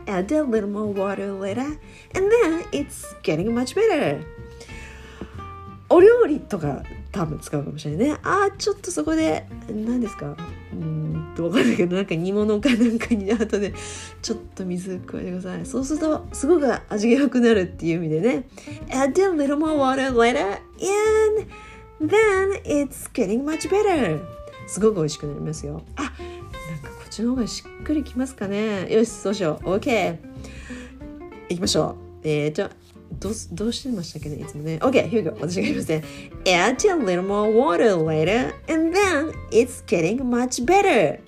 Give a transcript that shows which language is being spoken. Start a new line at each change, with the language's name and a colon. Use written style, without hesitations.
English: Add a little more water later and then it's getting much better.
Japanese: お料理とか多分使うかもしれないね。あちょっとそこで何ですか、分かんないけどなんか煮物かなんかに後でちょっと水を加えてください。そうするとすごく味が良くなるっていう意味でね。
English: Add a little more water later andThen it's getting much better.
Japanese: すごく美味しくなりますよ。あ、なんかこっちの方がしっくりきますかね。よし、そうしよう。OK。 いきましょう。どうしてましたっけね、いつもね。
English: OK、here we go。
Japanese: 私が言いますね。
English: Add a little more water later, and then it's getting much better.